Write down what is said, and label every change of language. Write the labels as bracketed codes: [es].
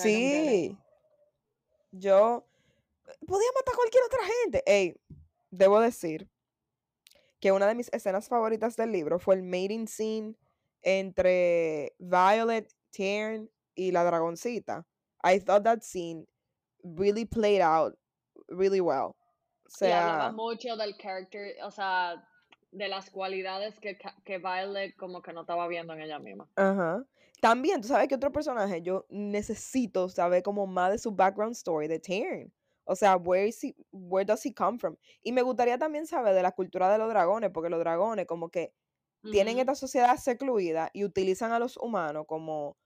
[es] sí. Yo podía matar a cualquier otra gente. Ey, debo decir que una de mis escenas favoritas del libro fue el mating scene entre Violet, Taryn y la dragoncita. [en] I thought that scene really played out really well. [es] O sea, y hablaba mucho del character, o sea, de las cualidades que Violet como que no estaba viendo en ella misma. También, tú sabes que otro personaje, yo necesito saber como más de su background story, de Taryn. O sea, [en] where does he come from? [es] Y me gustaría también saber de la cultura de los dragones, porque los dragones como que tienen esta sociedad secluida y utilizan a los humanos como...